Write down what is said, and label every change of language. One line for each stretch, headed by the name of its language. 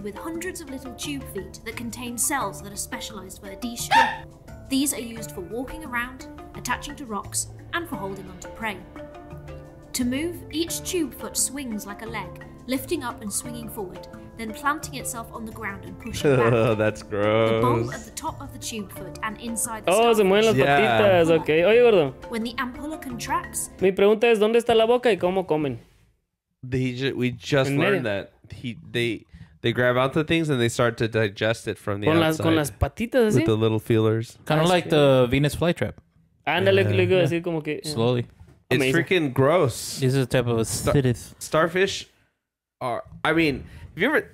English: With hundreds of little tube feet that contain cells that are specialized for their D-shape. These are used for walking around, attaching to rocks, and for holding onto prey. To move, each tube foot swings like a leg, lifting up and swinging forward, then planting itself on the ground and pushing back. That's gross. The bulb at the top of the tube foot and inside the starfish. Oh,
Spanish: se mueven las patitas.
English: Yeah. Okay.
Spanish: Oye, gordo.
English: When the ampulla contracts...
Spanish: Mi pregunta es, ¿dónde está la boca y cómo comen?
English: We just learned that. They grab out the things and they start to digest it from the outside.
Spanish: Con las patitas, así?
English: With the little feelers. Kind of like the Venus flytrap.
Spanish: Ándale, le digo así como que...
English: Slowly. It's amazing. Freaking gross. This is a type of a starfish are... I mean, have you ever...